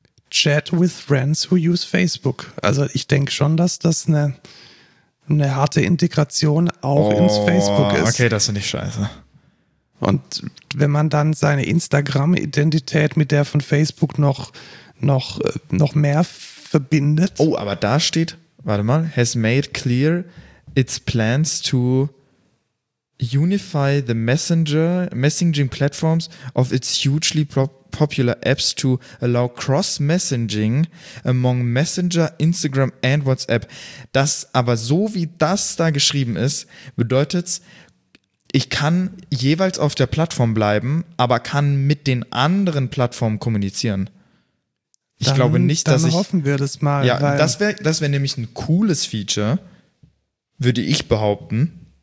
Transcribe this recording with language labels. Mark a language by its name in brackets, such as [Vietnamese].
[English] Chat with friends who use Facebook. [German] Also ich denke schon, dass das eine harte Integration auch ins Facebook ist. Okay, das finde ich scheiße. Und wenn man dann seine Instagram-Identität mit der von Facebook noch mehr verbindet. Oh, aber da steht, warte mal, [English] has made clear its plans to unify the messaging platforms of its hugely popular apps to allow cross-messaging among Messenger, Instagram and WhatsApp. [German] Das aber so, wie das da geschrieben ist, bedeutet, ich kann jeweils auf der Plattform bleiben, aber kann mit den anderen Plattformen kommunizieren. Ich dann, glaube nicht, dann dass ich... Dann hoffen wir das mal. Ja, das wär nämlich ein cooles Feature, würde ich behaupten.